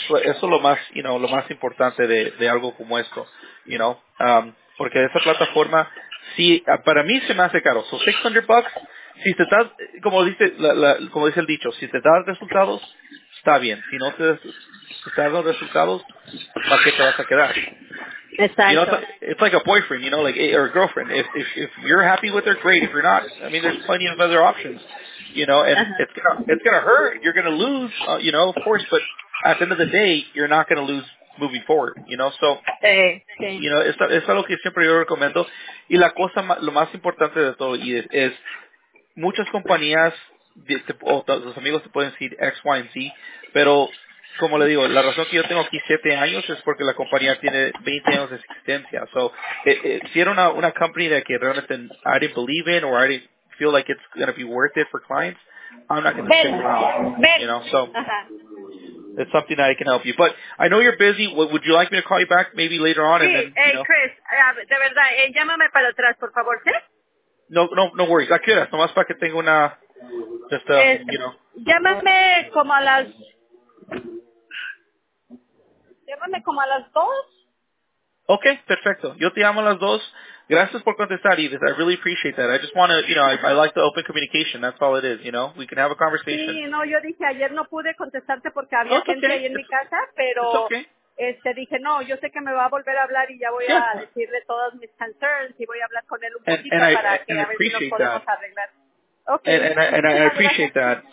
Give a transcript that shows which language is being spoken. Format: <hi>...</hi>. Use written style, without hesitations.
<es>So eso es lo más, you know, lo más importante de algo como esto, you know. Porque esa plataforma, si para mí se me hace caro, so $600, si te das, como dice el dicho, si te das resultados, está bien. Si no te das los resultados, ¿para qué te vas a quedar?</es> <en>Exactly. You know, it's like a boyfriend, you know, like, or a girlfriend. If you're happy with her, great. If you're not, I mean, there's plenty of other options, you know, and it's gonna hurt. You're gonna lose, you know, of course, but at the end of the day, you're not gonna lose moving forward, you know. So, okay.</en> <es>You know, es algo que siempre yo recomiendo. Y la cosa, lo más importante de todo, es muchas compañías, los amigos te pueden decir X, Y, and Z, pero como le digo, la razón que yo tengo aquí 7 años es porque la compañía tiene 20 años de existencia.</es> <en>So,</en> <es>si era una</es> <en>company that</en> <es>que realmente</es> <en>I didn't believe in or I didn't feel like it's going to be worth it for clients, I'm not going to stick around. You know, so uh-huh. It's something that I can help you. But I know you're busy. Would you like me to call you back maybe later on?</en> <es>Sí,</es> <en>and then, you know?</en> <es>Chris, de verdad, llámame para atrás, por favor, ¿sí?</es> <en>No worries.</en> <es>¿A qué hora? Nomás para que tenga una, just, you know. Llámame como a las... Llámame como a las 2. Okay, perfecto. Yo te llamo a las 2. Gracias por contestar, Edith.</es> <en>I really appreciate that. I just want to, you know, I like the open communication. That's all it is, you know. We can have a conversation.</en> <es>Sí, no, yo dije ayer no pude contestarte porque había gente ahí en mi casa, pero dije, no, yo sé que me va a volver a hablar y ya voy a decirle todas mis concerns y voy a hablar con él un poquito para que a ver si nos podemos arreglar.</es> <en>Okay. And I appreciate that.</en>